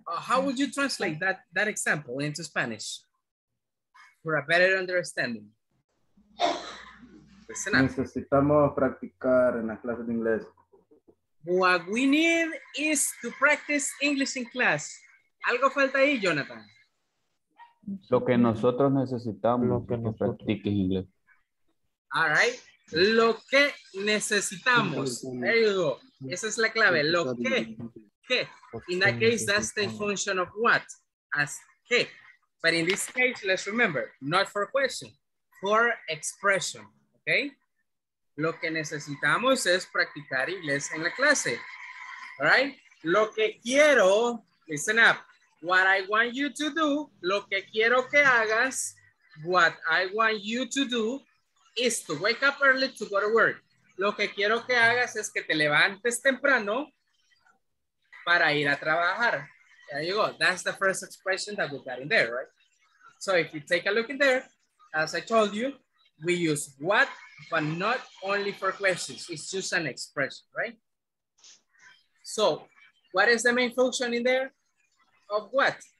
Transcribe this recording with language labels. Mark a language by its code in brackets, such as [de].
[en] How would you translate that example into Spanish for a better understanding? [es] Necesitamos practicar en la clase de inglés. [en] What we need is to practice English in class. [es] ¿Algo falta ahí, Jonathan? Lo que nosotros necesitamos es que practiques inglés. [en] All right. [es] Lo que necesitamos. [en] There you go. [es] Esa es la clave. Lo que. ¿Qué? [en] In that case, that's the function of what. As que. But in this case, let's remember, not for question, for expression, okay? [es] Lo que necesitamos es practicar inglés en la clase, [en] all right? [es] Lo que quiero, [en] listen up, what I want you to do, [es] lo que quiero que hagas, [en] what I want you to do is to wake up early to go to work. [es] Lo que quiero que hagas es que te levantes temprano para ir a trabajar. [en] There you go. That's the first expression that we got in there, right? So if you take a look in there, as I told you, we use what, but not only for questions. It's just an expression, right? So what is the main function in there of what?